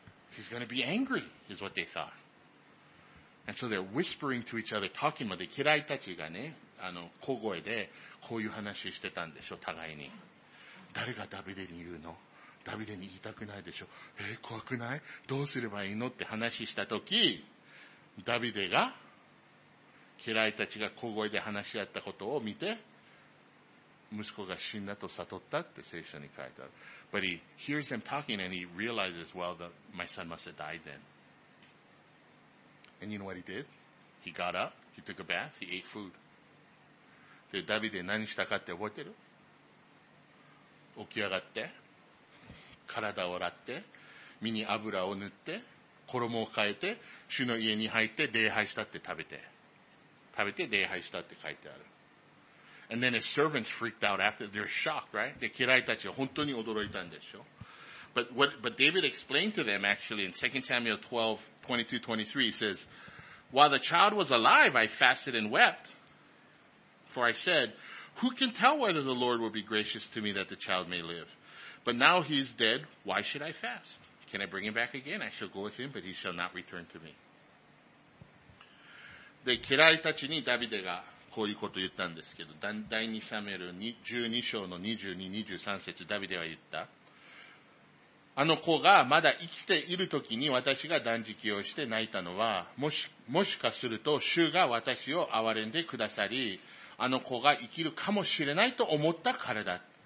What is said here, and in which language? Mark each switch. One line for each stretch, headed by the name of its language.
English: He's going to be angry, is what they thought. And so they're whispering to each other, talking about it.
Japanese: 家来たちがね、小声でこういう話してたんでしょ、互いに。誰がダビデに言うの？ダビデに言いたくないでしょ。怖くない？どうすればいいのって話したとき、ダビデが、家来たちが小声で話し合ったことを見て、息子が死んだと悟ったって聖書に書いてある。
English: But he hears them talking and he realizes, well, that my son must have died then. And you know what he did? He got up, he took a bath, he ate food.
Japanese: で、ダビデ何したかって覚えてる？起き上がって、体を洗って、身に油を塗って、衣を変えて、主の家に入って礼拝したって食べて礼拝したって書いてある。
English: And then his servants freaked out after, they're shocked, right?
Japanese: で、家来たちは本当に驚いたんでしょ。
English: But David explained to them actually in 2 Samuel 12, 22, 23, he says, While the child was alive, I fasted and wept. For I said, Who can tell whether the Lord will be gracious to me that the child may live? But now he's dead, why should I fast? Can I bring him back again? I shall go with him, but he shall not return to me.
Japanese: で、家来たちにダビデがこういうことを言ったんですけど、第2サムエル12章の22、23節、ダビデは言った。あの子がまだ生きているときに私が断食をして泣いたのは、もしかすると主が私を憐れんでくださり、あの子が生きるかもしれないと思ったからだ。